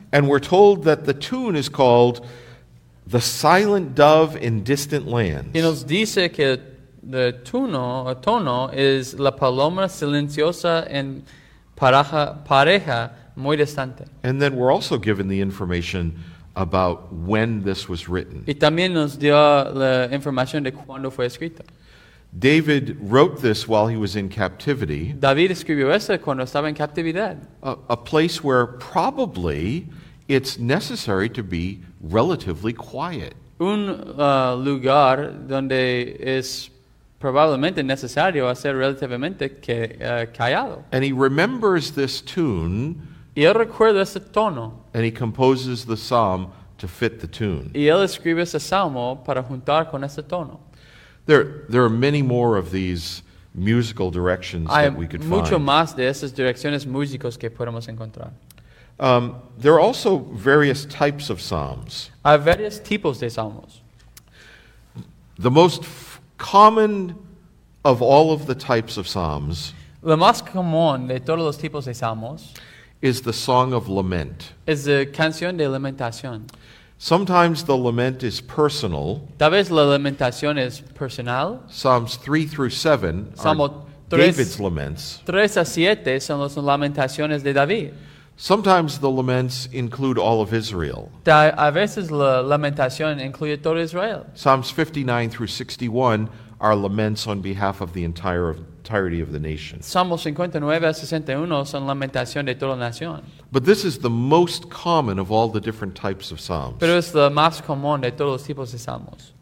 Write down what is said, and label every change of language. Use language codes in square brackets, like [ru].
[en] And we're told that the tune is called The Silent Dove in Distant Lands. [es] Y nos dice que el tono es la paloma silenciosa en pareja muy distante. [en] And then we're also given the information about when this was written. [es] Y también nos dio la información de cuándo fue escrito. [en] David wrote this while he was in captivity. [es] David escribió eso cuando estaba en captividad. [en] A place where probably it's necessary to be relatively quiet. [es] Un lugar donde es probablemente necesario hacer relativamente callado. [en] And he remembers this tune. [es] Y él recuerda ese tono. [en] And he composes the psalm to fit the tune. [es] Y él escribe ese salmo para juntar con ese tono. [en] There are many more of these musical directions that we could find. [es] Hay mucho más de esas direcciones musicales que podemos encontrar. [en] There are also various types of psalms. [es] Hay varios tipos de salmos. [en] The most common of all of the types of psalms. [es] Lo más común de todos los tipos de salmos. [en] Is the song of lament. [es] Es la canción de lamentación. [en] Sometimes the lament is personal. [es] Tal vez la lamentación es personal. [en] Psalms 3 through 7 [es] Salmo [en] are David's laments. [es] 3 a 7 son las lamentaciones de David. [en] Sometimes the laments include all of Israel. [es] A veces la lamentación incluye todo Israel. [en] Psalms 59 through 61 are laments on behalf of the entirety of the nation. [es] Salmos 59 a 61 son lamentación de toda la nación. [en] But this is the most common of all the different types of psalms. [es] Pero es la más común de todos los tipos de salmos.